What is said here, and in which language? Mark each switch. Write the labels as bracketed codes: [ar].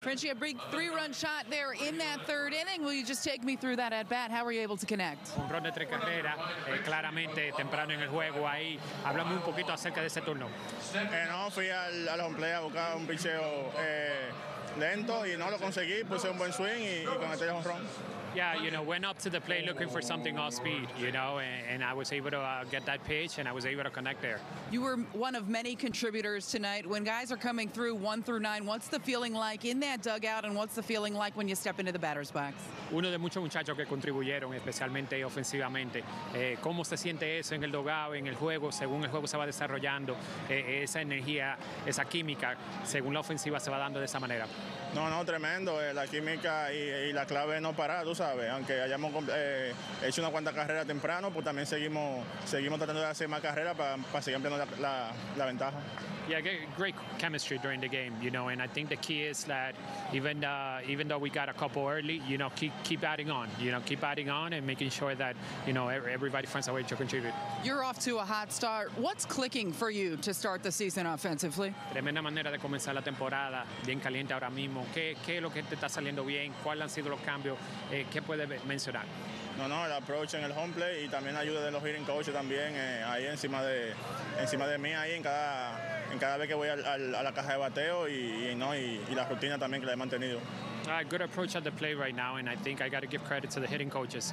[en] Franchy, a big three-run shot there in that third inning. Will you just take me through that at-bat? How were you able to connect? [es] Un run de tres carreras, claramente temprano en el juego ahí. Háblame un poquito acerca de ese turno. No, fui al home plate a buscar un picheo lento y no lo conseguí. Puse un buen swing y conecté el home run. [en] Yeah, went up to the plate looking for something off speed, and I was able to get that pitch and I was able to connect there. You were one of many contributors tonight. When guys are coming through 1-9, what's the feeling like in that dugout and what's the feeling like when you step into the batter's box? [es] Uno de muchos muchachos que contribuyeron, especialmente ofensivamente. ¿Cómo se siente eso en el dugout, en el juego, según el juego se va desarrollando? Esa energía, esa química, según la ofensiva se va dando de esa manera. No, tremendo. La química y la clave es no parar, tú sabes. Aunque hayamos hecho una cuanta carrera temprano, pues también seguimos tratando de hacer más carreras para seguir ampliando la ventaja. [en] Yeah, great chemistry during the game, and I think the key is that even though we got a couple early, keep adding on, keep adding on and making sure that, everybody finds a way to contribute. You're off to a hot start. What's clicking for you to start the season offensively? [es] Tremenda manera de comenzar la temporada, bien caliente ahora mismo. ¿Qué es lo que te está saliendo bien? ¿Cuáles han sido los cambios? ¿Qué puedes mencionar? No, el approach en el home plate y también la ayuda de los hitting coaches también ahí encima de mí ahí en cada vez que voy a la caja de bateo y la rutina también que la he mantenido. [en] Good approach at the plate right now, and I think I got to give credit to the hitting coaches.